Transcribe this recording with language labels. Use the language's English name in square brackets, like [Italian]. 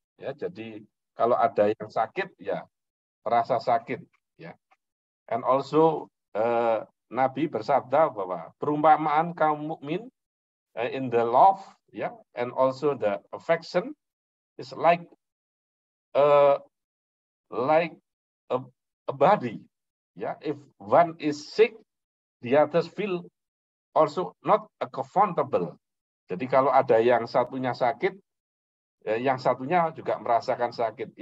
[Indonesian] Ya, yeah, jadi kalau ada yang sakit, ya merasa sakit, ya. [English] And also [Indonesian] Nabi bersabda bahwa perumpamaan kaum mukmin [English] in the love, ya, yeah, and also the affection is like a body, ya. Yeah. If one is sick, the others feel also not comfortable. [Indonesian] Jadi kalau ada yang satunya sakit, yang satunya juga merasakan sakit.